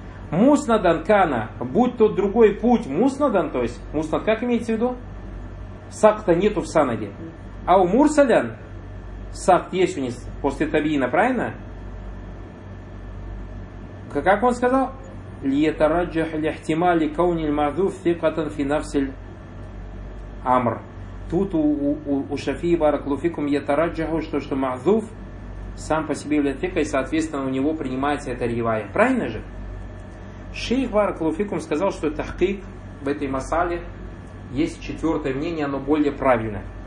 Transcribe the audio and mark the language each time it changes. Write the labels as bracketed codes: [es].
[ru] Муснадан кана, будь то другой путь, муснадан, то есть муснад, как имеется в виду? Сакта нету в санаде. А у мурсалян сакт есть у них после табиина, правильно? Как он сказал? [ar] ليتراجح لاحتمال كون المعذوف ثقة في نفس الأمر. [ru] Тут у Шафии Баракаллаху фикум ятараджаху, что Махзуф сам по себе является фикой, соответственно, у него принимается это ривая. Правильно же? Шейх Баракаллаху фикум сказал, что тахкик в этой масале есть четвертое мнение, оно более правильное.